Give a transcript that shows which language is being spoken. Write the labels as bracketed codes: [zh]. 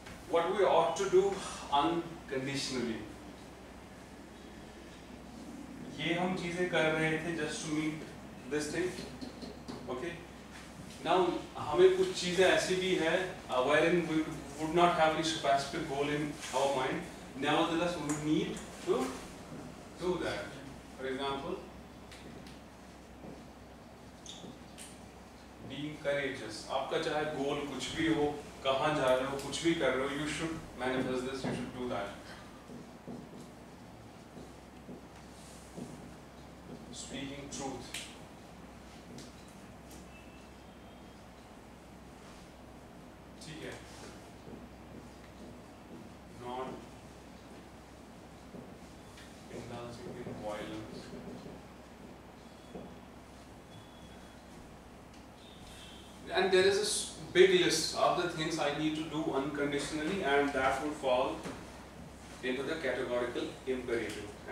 [en] What we ought to do unconditionally, [hi] ये हम चीजें कर रहे थे [en] just to meet this thing, okay? Now [hi] हमें कुछ चीजें ऐसी भी है [en] wherein we would not have any specific goal in our mind, nevertheless we need to do that. For example, being courageous, [hi] आपका चाहे goal कुछ भी हो, कहां जा रहे हो, कुछ भी कर रहे हो, [en] You should manifest this, you should do that. Speaking truth, ठीक है, not indulging in violence, and there is a big list of the things I need to do unconditionally, and that would fall into the categorical imperative.